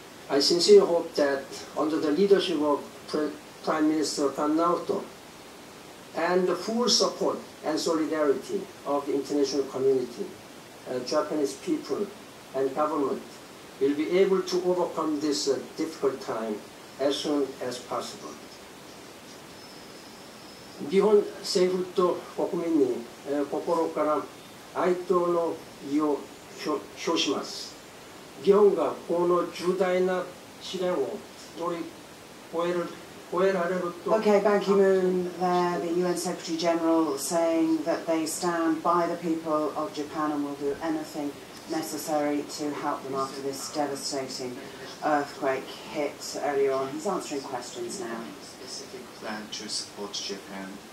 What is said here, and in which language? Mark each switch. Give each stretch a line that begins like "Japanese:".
English: I sincerely hope that under the leadership of Prime Minister Kanato and the full support and solidarity of the international community, Japanese people and government will be able to overcome this difficult time as soon as possible.
Japanese: 日本政府と国民に、心から哀悼の意を表します。日本がこの重大な試練を乗り越える、越えられると。
English: Okay, Ban Ki-moon there, the UN Secretary General saying that they stand by the people of Japan and will do anything necessary to help them after this devastating earthquake hit earlier on. He's answering questions now. Plan to support Japan.